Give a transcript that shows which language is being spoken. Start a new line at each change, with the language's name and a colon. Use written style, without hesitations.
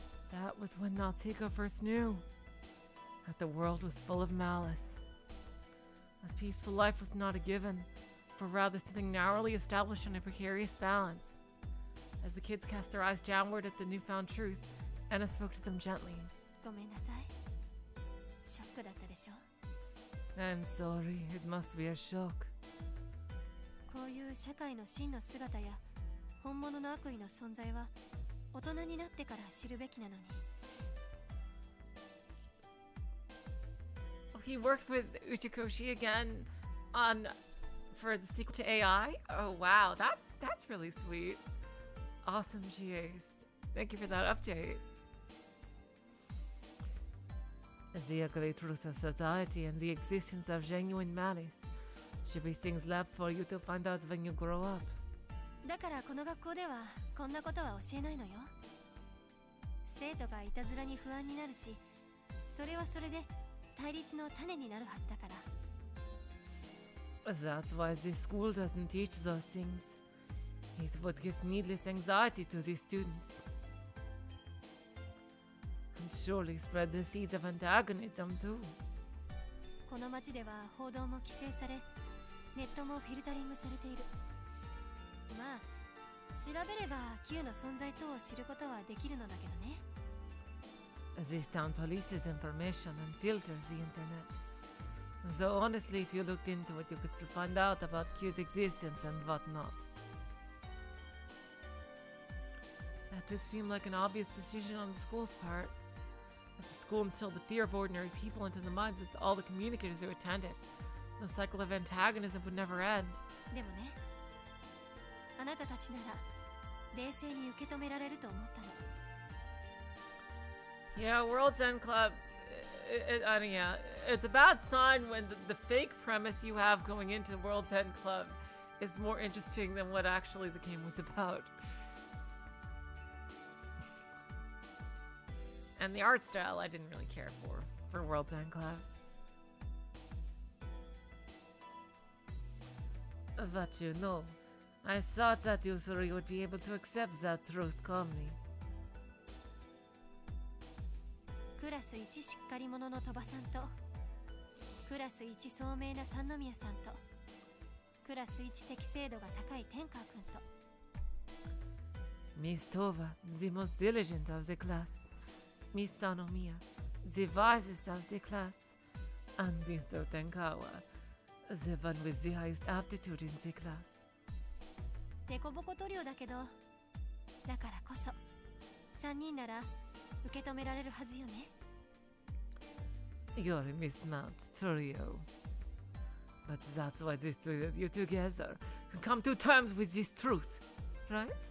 English: That was when Natsuhiko first knew that the world was full of malice. A peaceful life was not a given, but rather something narrowly established in a precarious balance. As the kids cast their eyes downward at the newfound truth, Anna spoke to them gently.
Japanese: ごめんなさい。ショックだったでしょ?
English: I'm sorry, it must be a shock.
Japanese: ここういう社会の真の姿や本物の悪意の存在は大人になってから知るべきなのに。
English: He worked with Uchikoshi again on for the sequel to AI. Oh wow, that's really sweet. Awesome, GAs. Thank you for that update. The ugly truth of society and the existence of genuine malice should be things left for you to find out when you grow up.
Japanese: だからこの学校ではこんなことは教えないのよ。生徒がいたずらに不安になるし、それはそれで対立の種になるはずだから。
English: That's why this school doesn't teach those things. It would give needless anxiety to these students. And surely spread the seeds of antagonism too.
Japanese: この町では報道も規制され、ネットもフィルタリングされている。まあ、調べれば Q の存在等を知ることはできるのだけどね。
English: This town polices information and filters the internet. So honestly, if you looked into it, you could still find out about Q's existence and whatnot. That did seem like an obvious decision on the school's part. If the school instilled the fear of ordinary people into the minds of all the communicators who attended, the cycle of antagonism would never end.
Japanese: でもね、あなたたちなら冷静に受け止められると思ったの。
English: Yeah, World's End Club, it's a bad sign when the fake premise you have going into World's End Club is more interesting than what actually the game was about. And the art style I didn't really care for World's End Club. But you know, I thought that you three would be able to accept that truth calmly.
Japanese: クラス1しっかり者の鳥羽さんとクラス1聡明な三宮さんとクラス1適正度が高い天川君と
English: ミス・トーバ、the most diligent of the class ミス・サノミア、the wisest of the class and ミス・テンカワ、the one with the highest aptitude in the class
Japanese: デコボコトリオだけどだからこそ三人なら受け止められるはずよね。
English: You're a mismatch, Trio. But that's why these three of you together can come to terms with this truth, right?